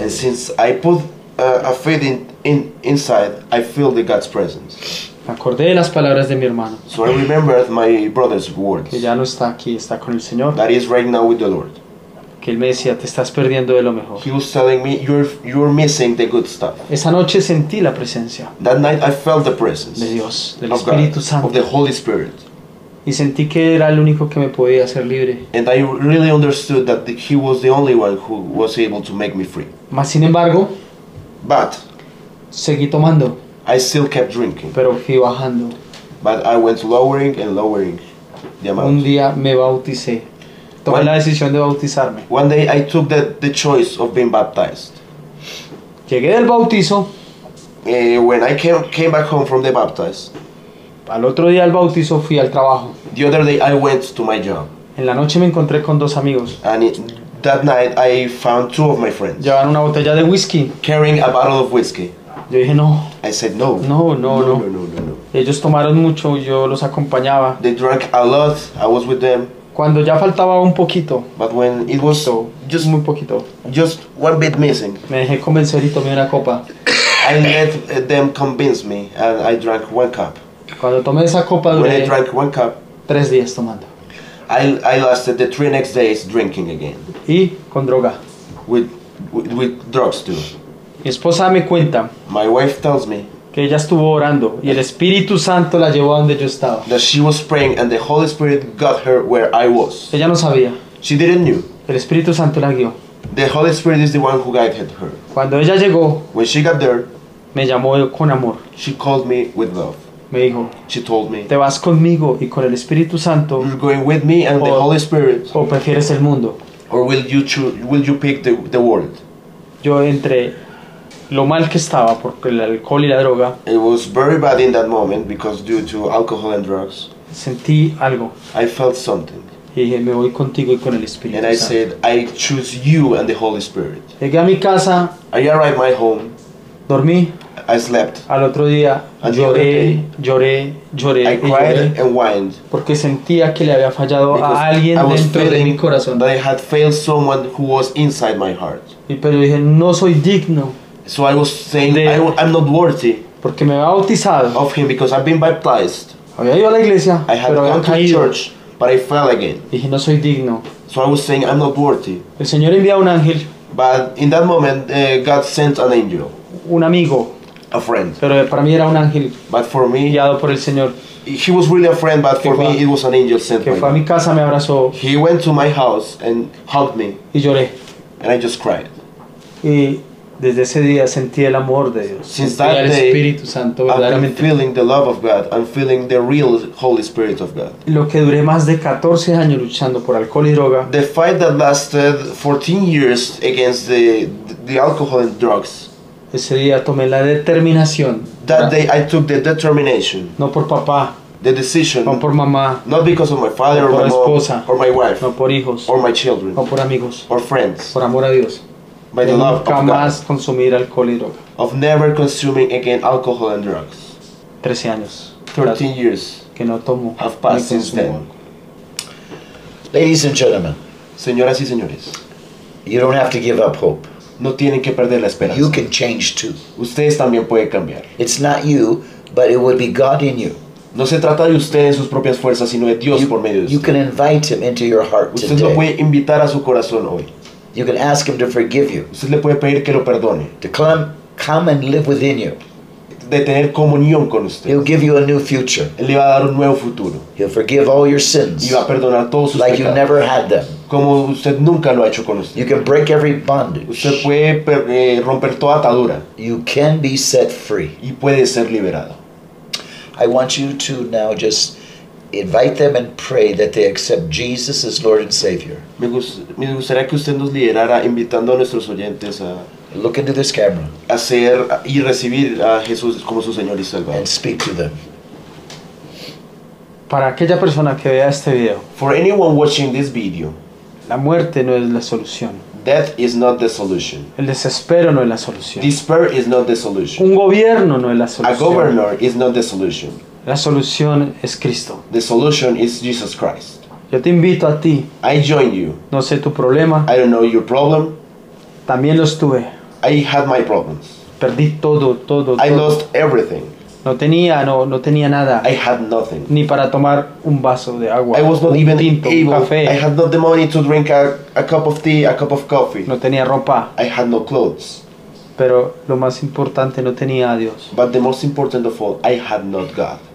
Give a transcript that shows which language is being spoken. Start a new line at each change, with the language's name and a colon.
English: And since I put a faith in inside, I feel the God's presence.
Spanish: Me acordé de las palabras de mi hermano.
English: So I remembered my brother's words.
Spanish: Que ya no está aquí, está con el Señor.
English: That is right now with the Lord.
Spanish: Que él me decía, te estás perdiendo de lo mejor.
English: He was telling me, you're missing the good stuff.
Spanish: Esa noche sentí la presencia.
English: That night I felt the presence.
Spanish: De Dios, del Espíritu Santo.
English: Of the Holy Spirit.
Spanish: Y sentí que era el único que me podía hacer libre.
English: And I really understood that he was the only one who was able to make me free.
Spanish: Mas sin embargo,
English: but
Spanish: seguí tomando.
English: I still kept drinking.
Spanish: Pero fui bajando.
English: But I went lowering and lowering the amount.
Spanish: Un día me bauticé. Tomé la decisión de bautizarme.
English: One day I took the choice of being baptized.
Spanish: Llegué del bautizo.
English: When I came back home from the baptized.
Spanish: Al otro día del bautizo fui al trabajo.
English: The other day I went to my job.
Spanish: En la noche me encontré con dos amigos.
English: And that night I found two of my friends.
Spanish: Llevaban una botella de whisky.
English: Carrying a bottle of whiskey.
Spanish: Yo dije no.
English: I said no.
Spanish: No. Ellos tomaron mucho, yo los acompañaba.
English: They drank a lot, I was with them.
Spanish: Cuando ya faltaba un poquito.
English: But when it was
Spanish: poquito, just muy poquito.
English: Just one bit missing.
Spanish: Me dejé convencer y tomé una copa.
English: I let them convince me and I drank one cup.
Spanish: Cuando tomé esa copa duré
English: cup,
Spanish: 3 días tomando.
English: I lasted the 3 next days drinking again.
Spanish: Y con droga.
English: With drugs too.
Spanish: Mi esposa me cuenta.
English: My wife tells me
Spanish: que ella estuvo orando y el Espíritu Santo la llevó a donde yo estaba.
English: That she was praying and the Holy Spirit got her where I was.
Spanish: Ella no sabía.
English: She didn't knew.
Spanish: El Espíritu Santo la guió.
English: The Holy Spirit is the one who guided her.
Spanish: Cuando ella llegó,
English: when she got there,
Spanish: me llamó con amor.
English: She called me with love.
Spanish: Me dijo,
English: she told me,
Spanish: te vas conmigo y con el Espíritu Santo.
English: You're going with me and the Holy Spirit.
Spanish: O prefieres el mundo.
English: Or will you pick the world?
Spanish: Yo entre lo mal que estaba por el alcohol y la droga.
English: It was very bad in that moment because due to alcohol and drugs.
Spanish: Sentí algo.
English: I felt something.
Spanish: Y dije, me voy contigo y con el Espíritu
English: Santo. And I said, I choose you and the Holy Spirit.
Spanish: Llegué a mi casa.
English: I arrived my home.
Spanish: Dormí.
English: I slept.
Spanish: Al otro día lloré.
English: I cried and whined.
Spanish: Porque sentía que le había fallado a alguien dentro de mi corazón.
English: That I had failed someone who was inside my heart.
Spanish: Y pero dije, no soy digno.
English: So I was saying, I'm not worthy.
Spanish: Porque me había bautizado.
English: Of him because I've been baptized.
Spanish: Había ido a la iglesia,
English: I had
Spanish: pero
English: gone to
Spanish: caído.
English: Church, but I fell again.
Spanish: Dije, no soy digno.
English: So I was saying, I'm not worthy.
Spanish: El Señor envía un ángel.
English: But in that moment, God sent an angel.
Spanish: Un amigo.
English: A friend.
Spanish: Pero para mí era un ángel.
English: But for me,
Spanish: guiado por el Señor.
English: He was really a friend, but for me, it was an angel sent.
Spanish: Que fue a mi casa, me abrazó.
English: He went to my house and hugged me.
Spanish: Y lloré.
English: And I just cried.
Spanish: Y desde ese día sentí el amor de Dios.
English: Since that day,
Spanish: el Espíritu Santo,
English: I'm feeling the love of God. I'm feeling the real Holy Spirit of God.
Spanish: Lo que duré más de 14 años luchando por alcohol y droga.
English: The fight that lasted 14 years against the alcohol and drugs.
Spanish: Ese día tomé la determinación.
English: That day I took the determination.
Spanish: No por papá.
English: The decision.
Spanish: No por mamá.
English: Not because of my father or my
Spanish: esposa,
English: mom. Or my wife.
Spanish: No por hijos.
English: Or my children.
Spanish: No por amigos.
English: Or friends.
Spanish: Por amor a Dios.
English: By the love of God.
Spanish: Nunca más consumir alcohol y droga.
English: Of never consuming again alcohol and drugs.
Spanish: 13 años.
English: 13 years.
Spanish: Que no tomo.
English: Have passed since then. Ladies and gentlemen.
Spanish: Señoras y señores.
English: You don't have to give up hope.
Spanish: No tienen que perder la esperanza.
English: You can change too.
Spanish: Ustedes también pueden cambiar.
English: It's not you, but it would be God in you.
Spanish: No se trata de ustedes sus propias fuerzas, sino de Dios por medio de ustedes.
English: You can invite him into your heart
Spanish: usted
English: today.
Spanish: Usted lo puede invitar a su corazón hoy.
English: You can ask him to forgive you.
Spanish: Usted le puede pedir que lo perdone.
English: To come and live within you.
Spanish: De tener comunión con usted.
English: He'll give you a new future.
Spanish: Él le va a dar un nuevo futuro.
English: He'll forgive all your sins.
Spanish: Y va a perdonar todos sus
English: like
Spanish: pecados.
English: You never had them.
Spanish: Como usted nunca lo ha hecho con usted.
English: You can break every bondage.
Spanish: Usted puede romper toda atadura.
English: You can be set free.
Spanish: Y puede ser liberado.
English: I want you to now just invite them and pray that they accept Jesus as Lord and Savior.
Spanish: Me gustaría que usted nos liderara invitando a nuestros oyentes a
English: look into this camera.
Spanish: Hacer y recibir a Jesús como su Señor y Salvador.
English: And speak to them.
Spanish: Para aquella persona que vea este video.
English: For anyone watching this video.
Spanish: La muerte no es la solución.
English: Death is not the solution.
Spanish: El desespero no es la solución.
English: Despair is not the solution.
Spanish: Un gobierno no es la solución.
English: A governor is not the solution.
Spanish: La solución es Cristo.
English: The solution is Jesus Christ.
Spanish: Yo te invito a ti.
English: I join you.
Spanish: No sé tu problema.
English: I don't know your problem.
Spanish: También los tuve.
English: I had my problems.
Spanish: Perdí todo.
English: I lost everything.
Spanish: No tenía nada.
English: I had nothing.
Spanish: Ni para tomar un vaso de agua.
English: I was not even
Spanish: tinto,
English: able.
Spanish: Café.
English: I had not the money to drink a cup of tea, a cup of coffee.
Spanish: No tenía ropa.
English: I had no clothes.
Spanish: Pero lo más importante, no tenía a Dios.
English: But the most important of all, I had not God.